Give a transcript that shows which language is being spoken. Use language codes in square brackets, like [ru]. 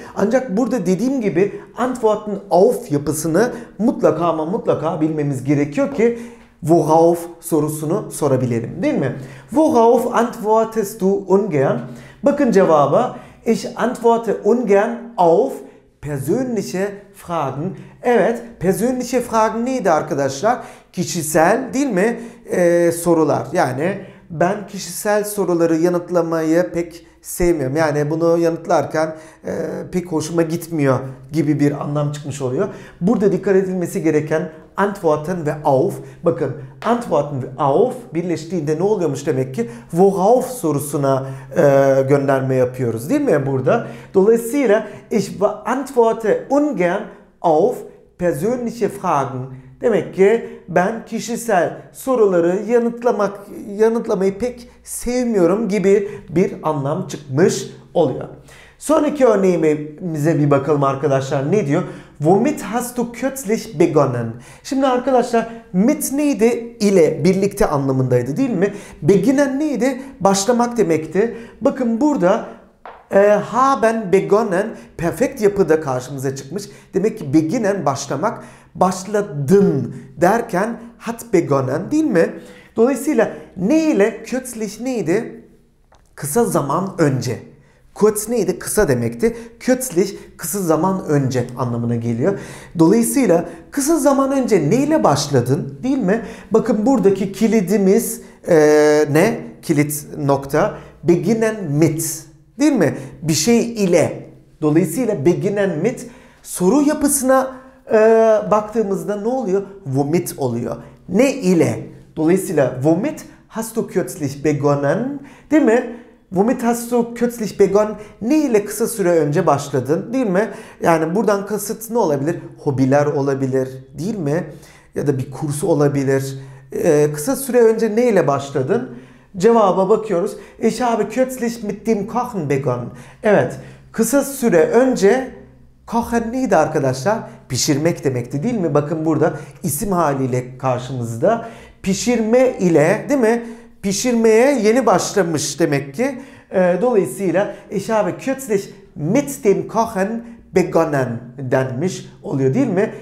[tr] Ancak burada dediğim gibi antworten auf yapısını mutlaka ama mutlaka bilmemiz gerekiyor ki worauf sorusunu sorabilirim. Değil mi? [de] Worauf antwortest du ungern? [tr] Bakın cevaba. [de] Ich antworte ungern auf persönliche Fragen. [tr] Evet, persönliche Fragen neydi arkadaşlar? Kişisel değil mi? Sorular. Yani ben kişisel soruları yanıtlamayı pek sevmiyorum. Yani bunu yanıtlarken pek hoşuma gitmiyor gibi bir anlam çıkmış oluyor. Burada dikkat edilmesi gereken antworten ve auf. Bakın antworten ve auf birleştiğinde ne oluyormuş demek ki? Worauf sorusuna gönderme yapıyoruz değil mi burada? Dolayısıyla [de] ich antworte ungern auf persönliche Fragen. [tr] Demek ki ben kişisel soruları yanıtlamayı pek sevmiyorum gibi bir anlam çıkmış oluyor. Sonraki örneğimize bir bakalım arkadaşlar. Ne diyor? [de] Womit hast du kürzlich begonnen? [tr] Şimdi arkadaşlar mit neydi? İle, birlikte anlamındaydı değil mi? Beginnen neydi? Başlamak demekti. Bakın burada haben begonnen perfekt yapıda karşımıza çıkmış. Demek ki beginnen başlamak. Başladın derken hat begonnen değil mi? Dolayısıyla ne ile kürzlich neydi? Kısa zaman önce. Kurz neydi? Kısa demekti. Kürzlich kısa zaman önce anlamına geliyor. Dolayısıyla kısa zaman önce ne ile başladın değil mi? Bakın buradaki kilidimiz ne? Kilit nokta. Beginnen mit değil mi? Bir şey ile. Dolayısıyla beginnen mit soru yapısına baktığımızda ne oluyor? Womit oluyor. Ne ile? Dolayısıyla [de] womit hast du kürzlich begonnen? [tr] Değil mi? [de] Womit hast du kürzlich begonnen? [tr] Ne ile kısa süre önce başladın? Değil mi? Yani buradan kasıt ne olabilir? Hobiler olabilir. Değil mi? Ya da bir kurs olabilir. Kısa süre önce ne ile başladın? Cevaba bakıyoruz. [de] Ich habe kürzlich mit dem Kochen begonnen. [tr] Evet. Kısa süre önce kochen neydi arkadaşlar? Pişirmek demekti değil mi? Bakın burada isim haliyle karşımızda. Pişirme ile değil mi? Pişirmeye yeni başlamış demek ki. Dolayısıyla [de] ich habe kürzlich mit dem kochen begonnen [tr] denmiş oluyor değil mi?